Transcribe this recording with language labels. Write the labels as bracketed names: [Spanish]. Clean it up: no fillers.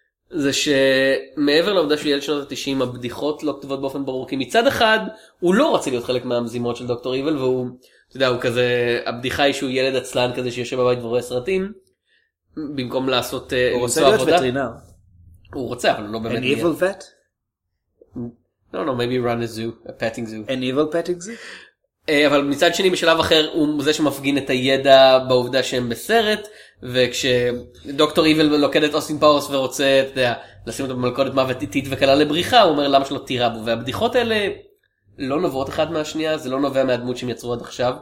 [Hebrew] זה שמעבר לעובדה שהוא ילד שנות ה-90, הבדיחות לא כתובות באופן ברור, כי מצד אחד, הוא לא רוצה להיות חלק מהמזימות של דוקטור איבל, והוא, אתה יודע, הוא כזה... הבדיחה היא שהוא ילד עצלן כזה שיושב בבית ורואה סרטים, במקום לעשות... הוא רוצה להיות וטרינר. הוא רוצה, אבל לא באמת... [English] An evil vet? No, maybe run a zoo, a petting zoo. An evil petting zoo? [Hebrew] אבל מצד שני, בשלב אחר, הוא זה שמפגין את הידע בעובדה שהם בסרט, וכשדוקטור איבל לוקד את אוסטין פאורס ורוצה, אתה יודע, לשים אותו במלכודת מוות איטית וקלה לבריחה, הוא אומר, למה שלא תירה בו? והבדיחות האלה לא נובעות אחת מהשנייה, זה לא נובע מהדמות שהם יצרו עד עכשיו.